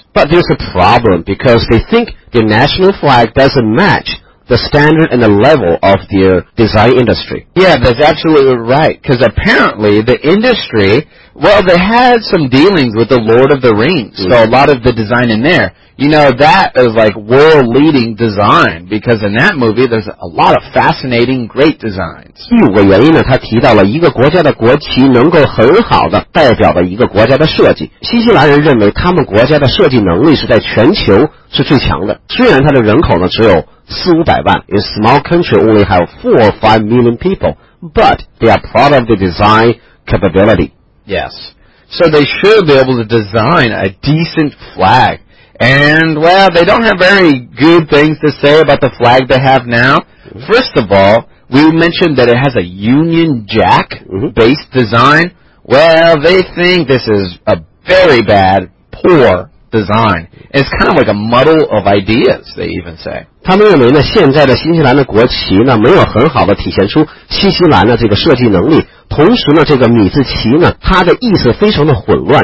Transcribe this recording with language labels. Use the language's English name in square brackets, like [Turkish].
[English] But there's a problem because they think their national flag doesn't match the standard and the level of their design industry. Yeah, that's absolutely right. Because apparently the industry, well, they had some dealings with the Lord of the Rings. Mm-hmm. So a lot of the design in there, you know, that is like world-leading design. Because in that movie, there's a lot of fascinating, great designs. [Chinese] 第五个原因呢，他提到了一个国家的国旗能够很好的代表了一个国家的设计。新西兰人认为他们国家的设计能力是在全球是最强的。虽然他的人口呢只有 [English] 400,000 in a small country only have 4 or 5 million people, but they are proud of the design capability. Yes. So they should be able to design a decent flag. And, well, they don't have very good things to say about the flag they have now. First of all, we mentioned that it has a Union Jack-based design. Well, they think this is a very bad, poor design. It's kind of like a muddle of ideas, they even say. [Chinese] 他们认为呢，现在的新西兰的国旗呢，没有很好的体现出新西兰的这个设计能力。同时呢，这个米字旗呢，它的意思非常的混乱。